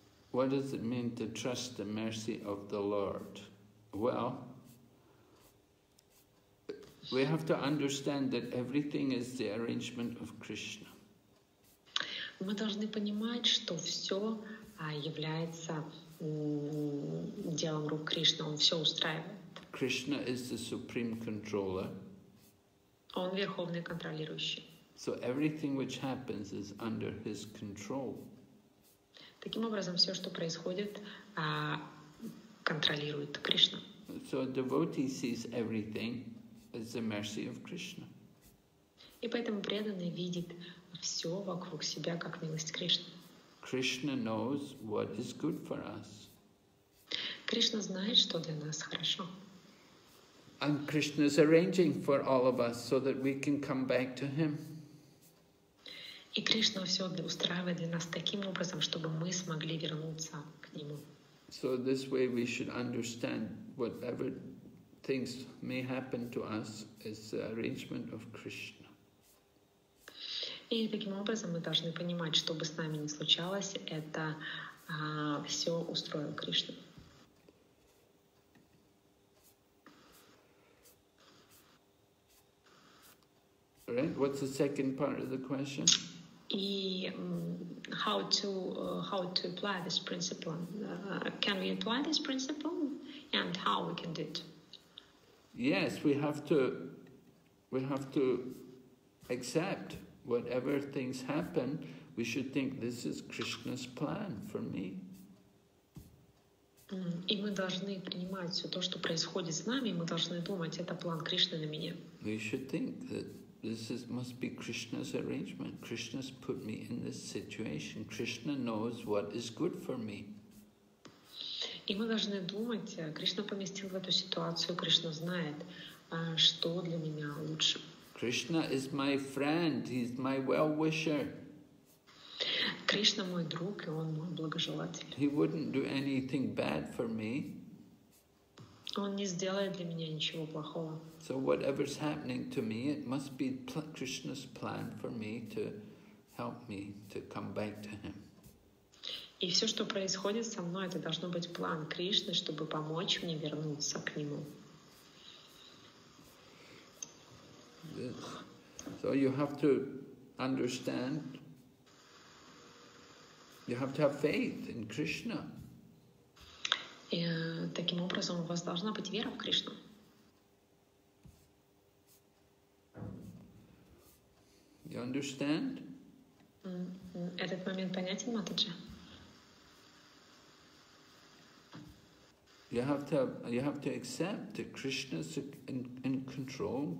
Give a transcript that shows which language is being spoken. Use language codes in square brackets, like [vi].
[en] What does it mean to trust the mercy of the Lord? Well, we have to understand that everything is the arrangement of Krishna. [ru] Мы должны понимать, что все является делом рук Кришны. Он все устраивает. [en] Krishna is the supreme controller. [ru] Он верховный контролирующий. [en] So everything which happens is under his control. [ru] Таким образом, все, что происходит, контролирует Кришна. [en] So a devotee sees everything. It's the mercy of Krishna. [ru] И поэтому преданный видит все вокруг себя как милость Кришны. [en] Krishna knows what is good for us. [ru] Кришна знает, что для нас хорошо. [en] And Krishna is arranging for all of us so that we can come back to Him. [ru] И Кришна все устраивает для нас таким образом, чтобы мы смогли вернуться к Нему. [en] So this way we should understand whatever things may happen to us is the arrangement of Krishna. [ru] И таким образом мы должны понимать, что бы с нами ни случалось, это все устроил Кришна. [en] Right? What's the second part of the question? [ru] И [en] how to apply this principle? Can we apply this principle? And how we can do it? Yes, we have to accept whatever things happen. We should think this is Krishna's plan for me. [ru] И мы должны принимать все то, что происходит с нами. Мы должны думать, это план Кришны на меня. [en] We should think that this is must be Krishna's arrangement. Krishna's put me in this situation. Krishna knows what is good for me. [ru] И мы должны думать, Кришна поместил в эту ситуацию, Кришна знает, что для меня лучше. [en] Krishna is my friend, he's my well-wisher. [ru] Кришна мой друг, и он мой благожелатель. [en] He wouldn't do anything bad for me. [ru] Он не сделает для меня ничего плохого. [en] So whatever's happening to me, it must be Krishna's plan for me to help me to come back to him. [ru] И все, что происходит со мной, это должно быть план Кришны, чтобы помочь мне вернуться к Нему. [en] So you have to understand, you have to have faith in Krishna. [ru] И таким образом у вас должна быть вера в Кришну. [en] You understand? [ru] Этот момент понятен, Матаджи? [en] You have to accept that Krishna is in control.